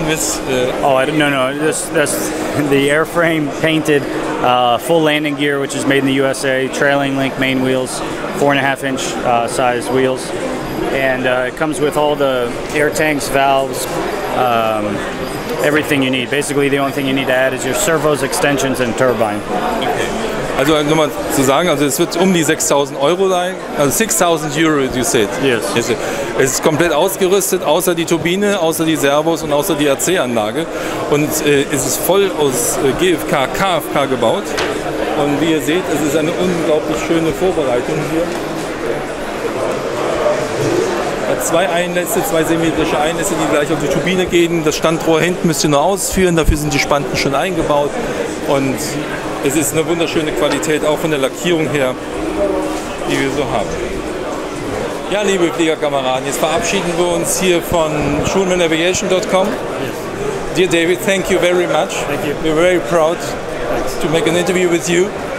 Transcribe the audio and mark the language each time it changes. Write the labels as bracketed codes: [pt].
[en] That's the airframe painted, full landing gear, which is made in the USA, trailing link main wheels, 4.5 inch size wheels, and it comes with all the air tanks, valves. Everything you need. Basically, the only thing you need to add is your servos, extensions, and turbine. Okay. [de] Also, nur mal zu sagen, also es wird um die 6.000 Euro sein. Also 6.000 Euro, [en] you said. Yes. [de] Es ist komplett ausgerüstet, außer die Turbine, außer die Servos und außer die AC-Anlage. Und es ist voll aus GFK, KFK gebaut. Und wie ihr seht, es ist eine unglaublich schöne Vorbereitung hier. Zwei Einlässe, zwei symmetrische Einlässe, die gleich auf die Turbine gehen. Das Standrohr hinten müsst ihr nur ausführen, dafür sind die Spanten schon eingebaut. Und es ist eine wunderschöne Qualität, auch von der Lackierung her, die wir so haben. Ja, liebe Fliegerkameraden, jetzt verabschieden wir uns hier von shulmanaviation.com. [en] Yes. Dear David, thank you very much. Thank you. We're very proud to make an interview with you.